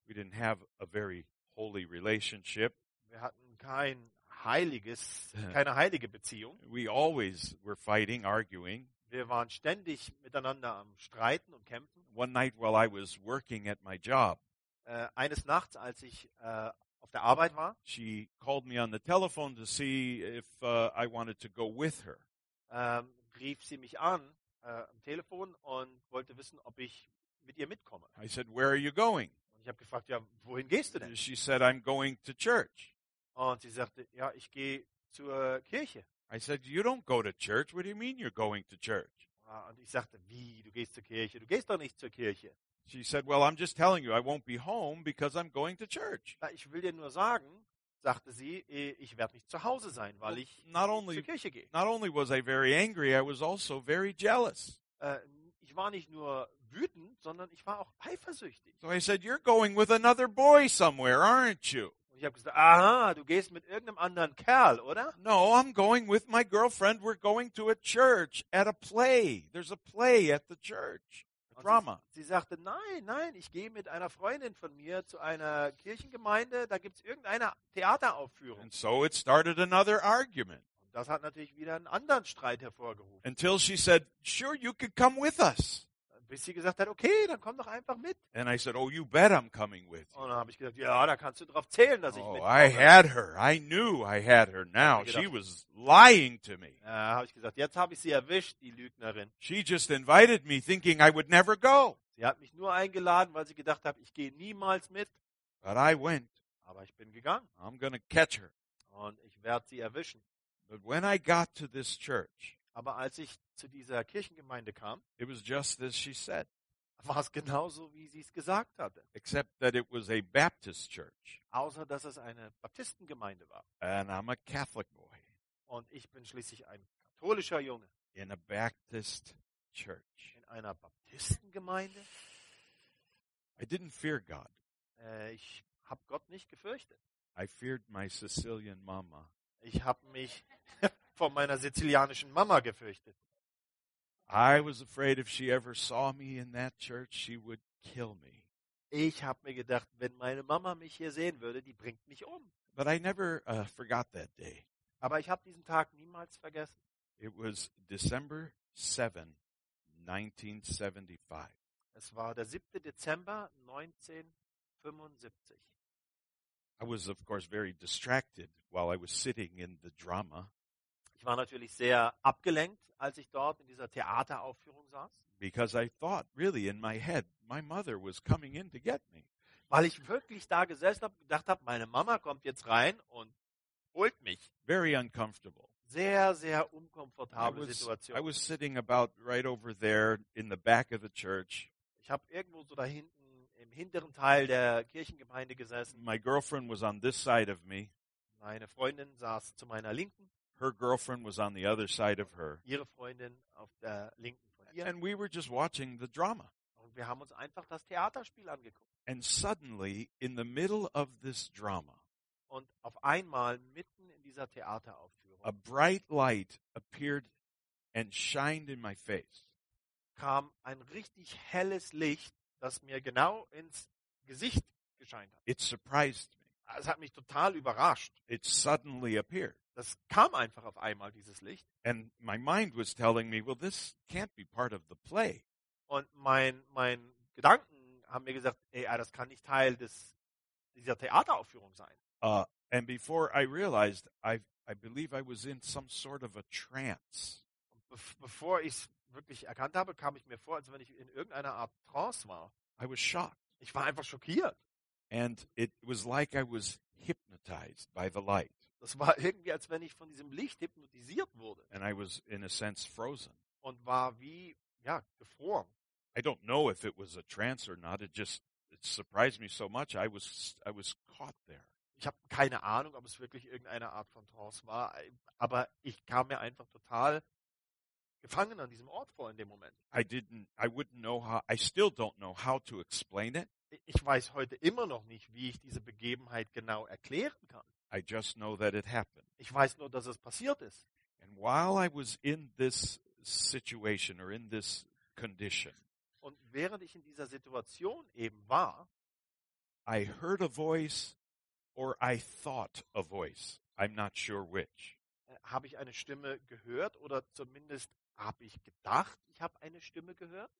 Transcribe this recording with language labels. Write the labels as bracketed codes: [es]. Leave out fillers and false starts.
[en] We didn't have a very holy relationship. [de] Wir hatten keine heilige Beziehung. [en] We always were fighting, arguing. [de] Wir waren ständig miteinander am Streiten und Kämpfen. [en] One night while I was working at my job. [de] Eines Nachts, als ich auf der Arbeit war. [en] She called me on the telephone to see if I wanted to go with her. [de] Rief sie mich an am Telefon und wollte wissen, ob ich mit ihr mitkomme. [en] I said, "Where are you going?" [de] Und ich habe gefragt, ja, wohin gehst du denn? [en] She said, "I'm going to church." [de] Und sie sagte, ja, ich gehe zur Kirche. [en] I said, "You don't go to church. What do you mean you're going to church?" [de] Und ich sagte, wie, du gehst zur Kirche? Du gehst doch nicht zur Kirche. [en] She said, "Well, I'm just telling you, I won't be home because I'm going to church." [de] Ich will dir nur sagen, sagte sie, ich werde nicht zu Hause sein, weil ich zur Kirche gehe. [en] Not only was I very angry, I was also very jealous. [de] Ich war nicht nur wütend, sondern ich war auch eifersüchtig. [en] So I said, "You're going with another boy somewhere, aren't you?" [de] Und ich habe gesagt, aha, du gehst mit irgendeinem anderen Kerl, oder? [en] "No, I'm going with my girlfriend. We're going to a church at a play. There's a play at the church." Drama. [de] Sie sagte, nein, ich gehe mit einer Freundin von mir zu einer Kirchengemeinde, da gibt es irgendeine Theateraufführung. [en] And so it started another argument. [de] Und das hat natürlich wieder einen anderen Streit hervorgerufen. [en] Until she said, "Sure, you could come with us." [de] Bis sie gesagt hat, okay, dann komm doch einfach mit. [en] And I said, "Oh, you bet I'm coming with you." [de] Und dann habe ich gesagt, ja, da kannst du drauf zählen, dass ich mitkomme. [en] Oh, I had her. I knew I had her now. She was lying to me. [de] Ja, habe ich gesagt, jetzt habe ich sie erwischt, die Lügnerin. [en] She just invited me, thinking I would never go. [de] Sie hat mich nur eingeladen, weil sie gedacht hat, ich gehe niemals mit. [en] But I went. [de] Aber ich bin gegangen. [en] I'm gonna catch her. [de] Und ich werde sie erwischen. [en] But when I got to this church, [de] aber als ich zu dieser Kirchengemeinde kam, [en] it was just as she said. [de] War es genauso, wie sie es gesagt hatte. [en] Except that it was a Baptist church. [de] Außer, dass es eine Baptistengemeinde war. [en] And I'm a Catholic boy. [de] Und ich bin schließlich ein katholischer Junge. [en] In a Baptist church. [de] In einer Baptistengemeinde. [en] I didn't fear God. [de] Ich habe Gott nicht gefürchtet. [en] I feared my Sicilian mama. [de] Ich habe mich vor meiner sizilianischen Mama gefürchtet. [en] I was afraid if she ever saw me in that church, she would kill me. [de] Ich habe mir gedacht, wenn meine Mama mich hier sehen würde, die bringt mich um. [en] But I never forgot that day. [de] Aber ich habe diesen Tag niemals vergessen. [en] It was December 7, 1975. [de] Es war der 7. Dezember 1975. [en] I was of course very distracted while I was sitting in the drama. [de] Ich war natürlich sehr abgelenkt, als ich dort in dieser Theateraufführung saß. [en] Because I thought really in my head, my mother was coming in to get me. [de] Weil ich wirklich da gesessen habe und gedacht habe, meine Mama kommt jetzt rein und holt mich. [en] Very uncomfortable. [de] Sehr, sehr unkomfortable Situation. [en] I was sitting about right over there in the back of the church. [de] Ich habe irgendwo so da hinten im hinteren Teil der Kirchengemeinde gesessen. [en] My girlfriend was on this side of me. [de] Meine Freundin saß zu meiner Linken. [en] Her girlfriend was on the other side of her. [de] Ihre Freundin auf der linken von ihr. [en] And we were just watching the drama. [de] Und wir haben uns einfach das Theaterspiel angeguckt. [en] And suddenly, in the middle of this drama, [de] und auf einmal mitten in dieser Theateraufführung, [en] a bright light appeared and shined in my face. [de] Kam ein richtig helles Licht, das mir genau ins Gesicht gescheint hat. [en] It surprised me. [de] Es hat mich total überrascht. [en] It suddenly appeared. [de] Das kam einfach auf einmal, dieses Licht. [en] And my mind was telling me, well, this can't be part of the play. [de] Und mein Gedanken haben mir gesagt, ey, das kann nicht Teil dieser Theateraufführung sein. [en] And before I realized, I believe I was in some sort of a trance. [de] Bevor ich es wirklich erkannt habe, kam ich mir vor, als wenn ich in irgendeiner Art Trance war. [en] I was shocked. [de] Ich war einfach schockiert. [en] And it was like I was hypnotized by the light. [de] Das war irgendwie, als wenn ich von diesem Licht hypnotisiert wurde. [en] And I was in a sense frozen. [de] und war wie ja gefroren. [en] I don't know if it was a trance or not. It surprised me so much. I was caught there. [de] Ich habe keine Ahnung, ob es wirklich irgendeine Art von Trance war, aber ich kam mir einfach total gefangen an diesem Ort vor in dem Moment. [en] I still don't know how to explain it. [de] Ich weiß heute immer noch nicht, wie ich diese Begebenheit genau erklären kann. [en] I just know that it happened. [de] Ich weiß nur, dass es passiert ist. [en] And while I was in this situation or in this condition, [de] und während ich in dieser Situation eben war, [en] I heard a voice or I thought a voice. I'm not sure which. [de] Habe ich eine Stimme gehört oder zumindest habe ich gedacht, ich habe eine Stimme gehört?